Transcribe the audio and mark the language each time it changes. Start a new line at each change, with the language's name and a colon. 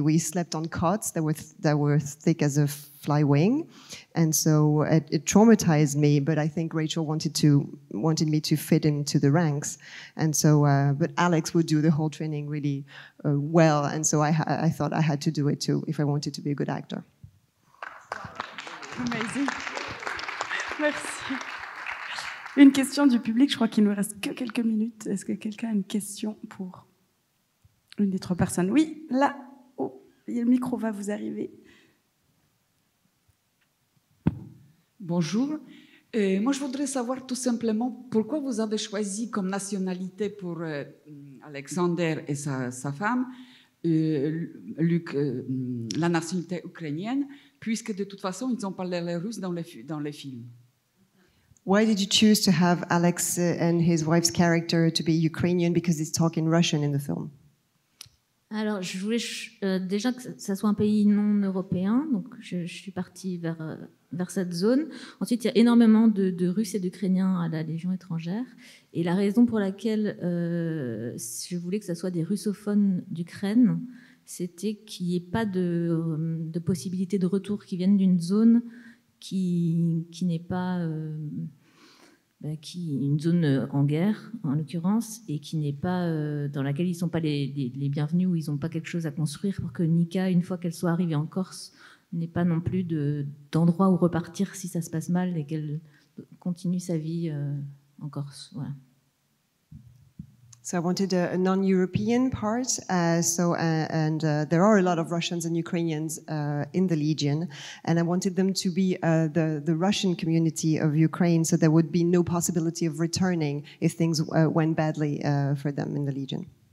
English: We slept on cots that were thick as a fly wing, and so it traumatized me. But I think Rachel wanted me to fit into the ranks, and so but Alex would do the whole training really well, and so I thought I had to do it too if I wanted to be a good actor. Amazing.
French: Merci. Une question du public, je crois qu'il ne nous reste que quelques minutes. Est-ce que quelqu'un a une question pour une des 3 personnes? Oui, là, oh, le micro va vous arriver. Bonjour. Moi, je voudrais savoir tout simplement pourquoi vous avez choisi comme nationalité pour Alexander et sa femme, Luc, la nationalité ukrainienne, puisque de toute façon, ils ont parlé russe dans les films.
English: Why did you choose to have Alex and his wife's character to be Ukrainian because he's talking Russian in the film?
French: Alors, je voulais déjà que ça soit un pays non européen, donc je suis partie vers cette zone. Ensuite, il y a énormément de Russes et d'Ukrainiens à la Légion étrangère, et la raison pour laquelle je voulais que ça soit des russophones d'Ukraine, c'était qu'il n'y ait pas de possibilité de retour qui viennent d'une zone qui n'est pas une zone en guerre en l'occurrence, et qui n'est pas dans laquelle ils sont pas les bienvenus, où ils ont pas quelque chose à construire, pour que Nika, une fois qu'elle soit arrivée en Corse, n'ait pas non plus d'endroit où repartir si ça se passe mal, et qu'elle continue sa vie en Corse. Voilà.
English: So I wanted a non-European part. There are a lot of Russians and Ukrainians in the Legion, and I wanted them to be the Russian community of Ukraine, so there would be no possibility of returning if things went badly for them in the Legion.